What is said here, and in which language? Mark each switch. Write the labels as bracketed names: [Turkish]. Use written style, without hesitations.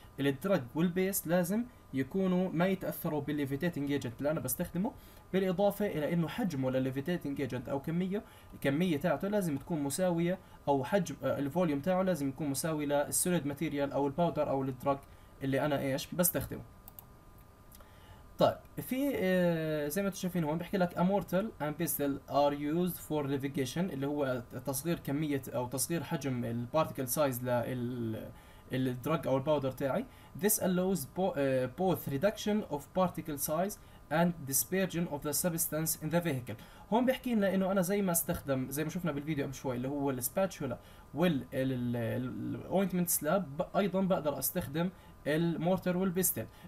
[Arabic] الدراج والبيس لازم يكونوا ما يتاثروا بالليفيتيتنج ايجنت اللي انا بستخدمه، بالاضافه الى انه حجمه للليفيتيتنج ايجنت او كميه تاعته لازم تكون مساويه، او حجم الفوليوم تاعه لازم يكون مساوي للسوليد ماتيريال او الباودر او الدراج اللي انا ايش بستخدمه. طيب في زي ما انتم شايفين هون بحكي لك [English] a mortar and pestle are used for levigation, [Arabic] اللي هو تصغير كميه او تصغير حجم البارتكل سايز للدراج او الباودر تاعي. [English] This allows both reduction of particle size and dispersion of the substance in the vehicle. [Arabic] هون بحكي لنا انه انا زي ما استخدم زي ما شفنا بالفيديو قبل شوي اللي هو السباتشولا والاوينتمنت سلاب، ايضا بقدر استخدم المورتر والبيستل.